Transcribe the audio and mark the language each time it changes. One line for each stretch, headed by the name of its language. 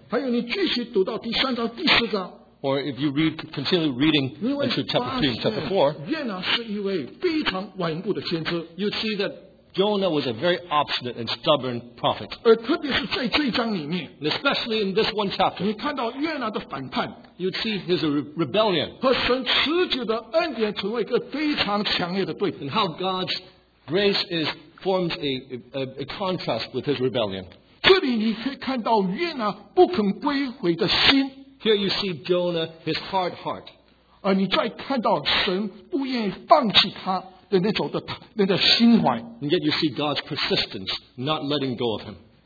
Chinese: 还有你继续读到第三章第四章,
English: or if you read continue reading into chapter 3 and chapter 4,
Chinese: 约拿是一位非常顽固的先知,
English: you see that Jonah was a very obstinate and stubborn prophet.
Chinese: 而特别是在这一章里面,
English: and especially in this one chapter,
Chinese: 你看到约拿的反叛,
English: you see his rebellion,
Chinese: 和神持久的恩典成为一个非常强烈的对比,
English: and how God's grace is forms a contrast with his rebellion.
Chinese: 这里你可以看到约拿不肯归回的心,
English: Here you see Jonah, his hard heart.
Chinese: 而你再看到神不愿意放弃他的那种的心怀,
English: And yet you see God's persistence, not letting go of him.